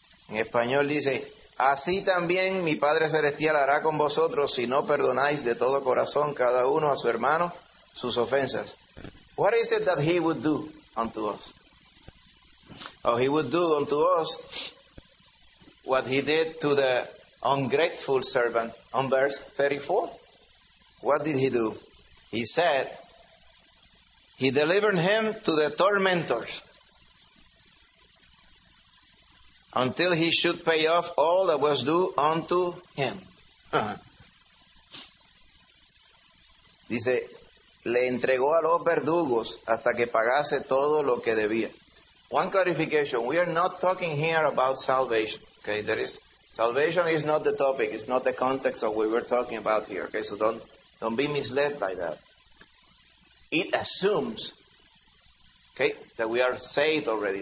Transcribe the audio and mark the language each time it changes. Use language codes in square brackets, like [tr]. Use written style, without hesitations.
[es] En español dice, así también mi Padre Celestial hará con vosotros si no perdonáis de todo corazón cada uno a su hermano sus ofensas. [en] What is it that he would do unto us? Oh, he would do unto us what he did to the ungrateful servant on verse 34. What did he do? He said, he delivered him to the tormentors until he should pay off all that was due unto him. [es] Dice, le entregó a los verdugos hasta que pagase todo lo que debía. [en] One clarification, we are not talking here about salvation. Okay, there is, salvation is not the topic, it's not the context of what we're talking about here. Okay, so don't be misled by that. It assumes, okay, that we are saved already.